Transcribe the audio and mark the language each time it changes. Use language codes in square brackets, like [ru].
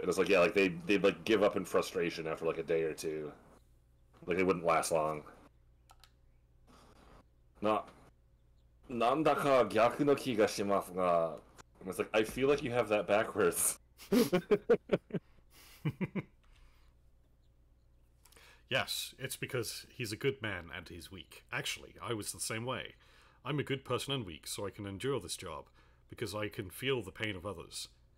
[en] And it's like, yeah, like they like give up in frustration after like a day or two. Like it wouldn't last long. [ja] なんだか逆の気がしますが. [en] And it's like, I feel like you have that backwards. Yes, it's because he's a good man and he's weak. Actually, I was the same way. I'm a good person and weak, so I can endure this job, because I can feel the pain of others.